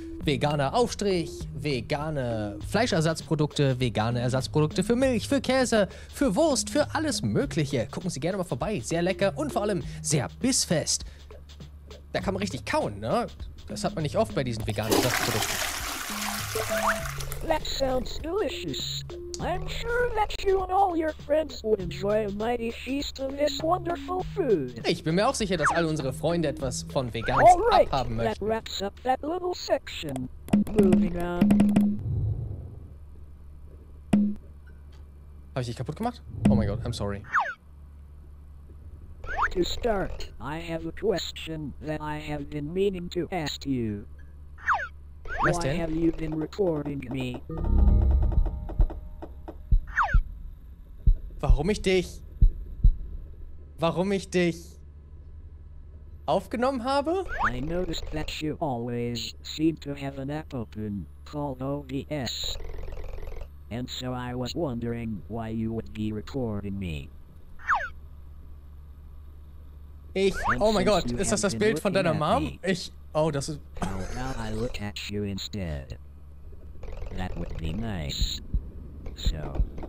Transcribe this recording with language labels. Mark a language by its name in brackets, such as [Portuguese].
[German] Veganer Aufstrich, vegane Fleischersatzprodukte, vegane Ersatzprodukte für Milch, für Käse, für Wurst, für alles Mögliche. Gucken Sie gerne mal vorbei, sehr lecker und vor allem sehr bissfest. Da kann man richtig kauen, ne? Das hat man nicht oft bei diesen veganen Ersatzprodukten. [English] That sounds delicious. I'm sure that you and all your friends would enjoy a mighty feast of this wonderful food. [German] Ich bin mir auch sicher, dass all unsere Freunde etwas von Vegans abhaben möchten. [English] That wraps up that little section. Moving on. [German] Habe ich dich kaputt gemacht? Oh mein Gott, [English] I'm sorry. To start, I have a question that I have been meaning to ask you. [German] Was denn? [English] Why have you been recording me? [German] Warum ich dich aufgenommen habe? [English] I noticed that you always seem to have an app open called OBS. And so I was wondering why you would be recording me. [German] Ich, oh mein Gott, ist das das Bild von deiner Mom? Me, ich, oh, das ist... [English] How about I look at you instead? That would be nice. So...